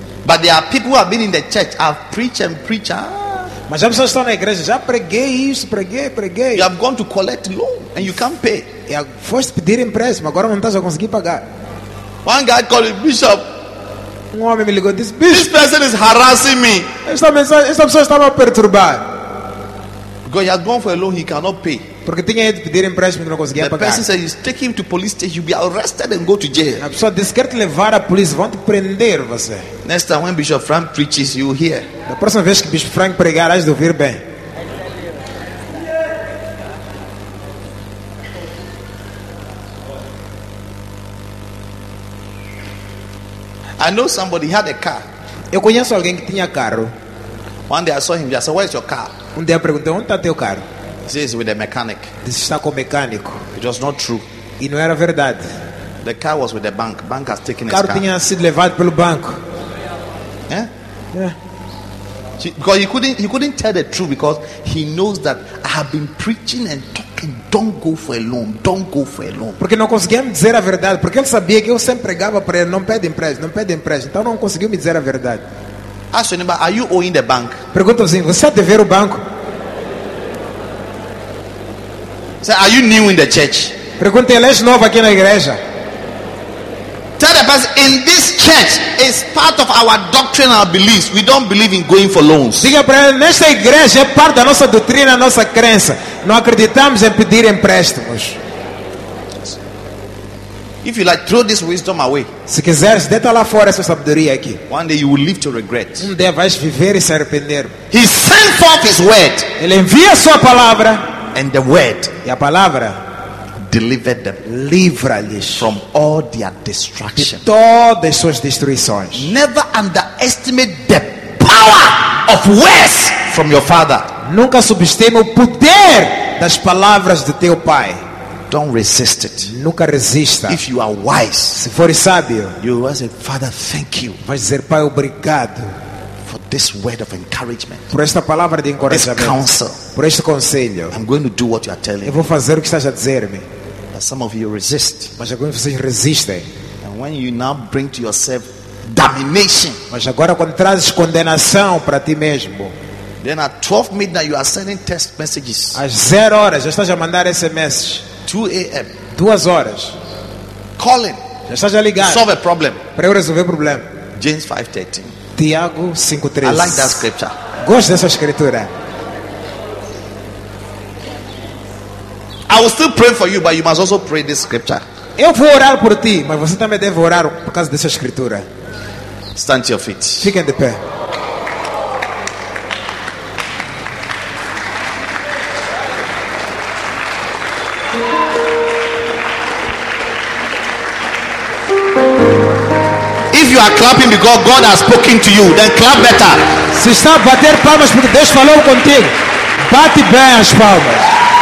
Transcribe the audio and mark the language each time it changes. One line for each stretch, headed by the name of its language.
English: But there are people who have been in the church. I've preached and preached. Ah.
Portuguese: Mas já pessoas estão na igreja. Já preguei isso, preguei.
English: You have gone to collect loan and you can't pay.
Portuguese: E foste pedir empréstimo, agora não estás a conseguir pagar.
English: One guy called me bishop.
Portuguese: Um homem me ligou, disse, bishop.
English: This person is harassing me.
Portuguese: Esta pessoa está a me perturbar.
English: Because he has gone for a loan, he cannot pay.
Portuguese: Porque tinha ido pedir empréstimo e não conseguia pagar.
English: The person said, "You take him to police station, you'll be arrested and go to jail."
Portuguese: A pessoa disse, quer te levar à polícia, vão te prender você.
English: Next time when Bishop Frank preaches, you hear.
Portuguese: Da próxima vez que Bishop Frank pregar, has de ouvir bem.
English: I know somebody had a car.
Portuguese: Eu conheço alguém que tinha carro.
English: One day I saw him. I said, "Where's your car?"
Portuguese: Um dia perguntei, onde está teu carro?
English: This is with a mechanic.
Portuguese: This está com mecânico.
English: It was not true.
Portuguese: E não era verdade.
English: The car was with the bank. Bank has taken
Portuguese: carro
English: his car.
Portuguese: Tinha sido levado pelo banco.
English: Yeah? Yeah. Because he couldn't tell the truth because he knows that I have been preaching and talking. Don't go for a loan. Don't go for a loan.
Portuguese: Porque não conseguia me dizer a verdade. Porque ele sabia que eu sempre pregava para ele, não pede empréstimo, não pede empréstimo. Então não conseguiu me dizer a verdade.
English: Ask your neighbor, are you owing the bank?
Portuguese: Pergunta assim, você está devendo o banco?
English: Say, are you new in the church?
Portuguese: Pergunta, ele é novo aqui na igreja?
English: Tell the person, in this church, it's part of our doctrine, our beliefs. We don't believe in going for loans.
Portuguese: Diga para ele, nesta igreja é parte da nossa doutrina, nossa crença. Não acreditamos em pedir empréstimos.
English: If you like, throw this wisdom away.
Portuguese: Se quiseres, deita lá fora essa sabedoria aqui.
English: One day you will live to regret.
Portuguese: Um dia vais viver e se arrepender.
English: He sent forth his word.
Portuguese: Ele envia sua palavra.
English: And the word.
Portuguese: E a palavra.
English: Delivered them.
Portuguese: Livra-lhes.
English: From all their destruction.
Portuguese: De todas suas destruições.
English: Never underestimate the power of words from your father.
Portuguese: Nunca subestime o poder das palavras do teu pai.
English: Don't resist it.
Portuguese: Nunca resista.
English: If you are wise,
Portuguese: se fores sábio,
English: you will say, Father, thank you.
Portuguese: Vais dizer, Pai, obrigado.
English: For this word of encouragement.
Portuguese: Por esta palavra de encorajamento.
English: This counsel.
Portuguese: Por este conselho.
English: I'm going to do what you are telling.
Portuguese: Eu vou fazer o que estás a dizer-me.
English: But some of you resist.
Portuguese: Mas alguns de vocês resistem.
English: And when you now bring to yourself damnation.
Portuguese: Mas agora quando trazes condenação para ti mesmo.
English: Then at 12 midnight you are sending text messages.
Portuguese: Às 0 horas já estás a mandar SMS.
English: 2 a.m.
Portuguese: 2 horas.
English: Calling.
Portuguese: Já estás a ligar.
English: Solve a problem.
Portuguese: Para eu resolver o problema.
English: James 5:13.
Portuguese: Tiago 5:13.
English: I like that scripture.
Portuguese: Gosto dessa escritura.
English: I will still pray for you, but you must also pray this scripture.
Portuguese: Eu vou orar por ti, mas você também deve orar por causa dessa escritura.
English: Stand to your feet.
Portuguese: Fiquem de pé.
English: If you are clapping because God has spoken to you, then clap better.
Portuguese: Se está a bater palmas porque Deus falou contigo, bate bem as palmas.